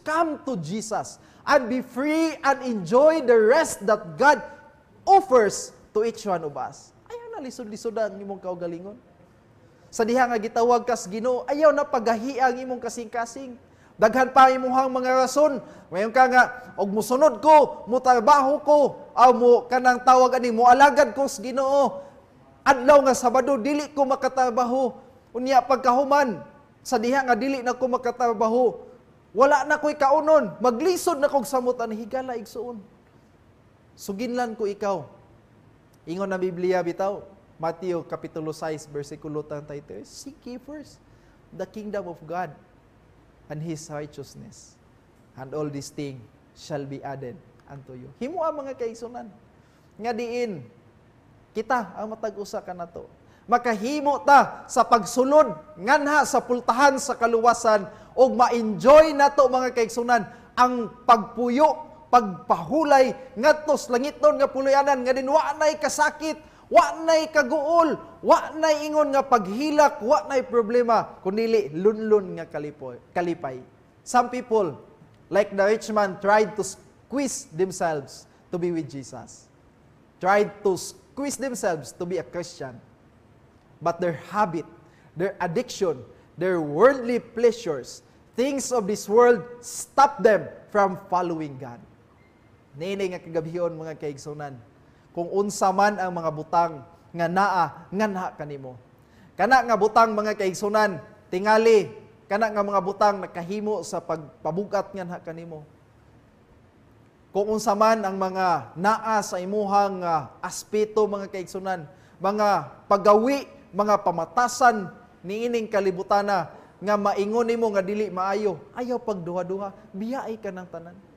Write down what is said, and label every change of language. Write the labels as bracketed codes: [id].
[en] Come to Jesus and be free and enjoy the rest that God offers to each one of us. [ceb] Ayaw na lisod-lisoda ang imong kaugalingon. Sa diha nga gitawag kas Ginoo, ayaw na pagahi ang imong kasing-kasing. Daghan pa imong mga rason. Ngayon ka nga, og musunod ko, mutarbaho ko, aw mo kanang tawag ani mo alagad ko sa Ginoo. Adlaw nga Sabado dili ko makatarbaho. Unya pagkahuman sa diha nga dili na ko makatarbaho. Wala na koy kaunon, maglisod na kog samutan higala igsuon. Suginlan ko ikaw. Ingon na Biblia bitaw, Mateo kapitulo 6 bersikulo 33. [en] Seek ye first the kingdom of God and His righteousness, and all these things shall be added unto you. [ceb] Himuha mga kaigsunan, nga diin, kita ang matag-usa ka na to. Makahimo ta sa pagsulod, nganha sa pultahan sa kaluwasan, o ma-enjoy na to mga kaigsunan, ang pagpuyo, pagpahulay, nga tos langiton nga puloyanan, nga din wanay kasakit, wanay kaguol, wanay ingon nga paghilak, wanay problema, kundili lunlun nga kalipay. [en] Some people, like the rich man, tried to squeeze themselves to be with Jesus. Tried to squeeze themselves to be a Christian. But their habit, their addiction, their worldly pleasures, things of this world, stop them from following God. [ceb] Nini nga kagabihon mga kaigsunan. Kung unsa man ang mga butang nga naa nganha kanimo. Kana nga butang mga kaigsunan, tingali kana nga mga butang nakahimo sa pagpabugat nganha kanimo. Kung unsa man ang mga naa sa imuhang aspeto mga kaigsunan, mga paggawi, mga pamatasan niining kalibutana nga maingon nimo nga dili maayo, ayaw pagduha-duha, biyaay ka nang tanan.